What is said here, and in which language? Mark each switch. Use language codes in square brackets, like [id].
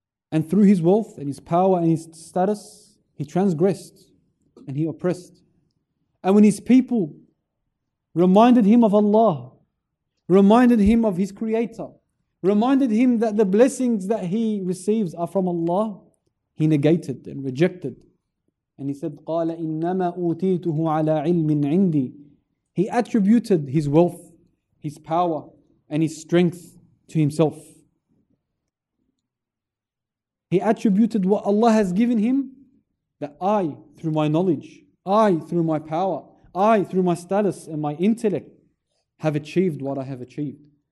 [en] And through his wealth and his power and his status, he transgressed and he oppressed. And when his people reminded him of Allah, reminded him of his creator, reminded him that the blessings that he receives are from Allah, he negated and rejected. And he said, [ar] قَالَ إِنَّمَا أُوتِيتُهُ عَلَى عِلْمٍ عِنْدِي. [en] He attributed his wealth, his power, and his strength to himself. He attributed what Allah has given him, that I, through my knowledge, I, through my power, I, through my status and my intellect, have achieved what I have achieved.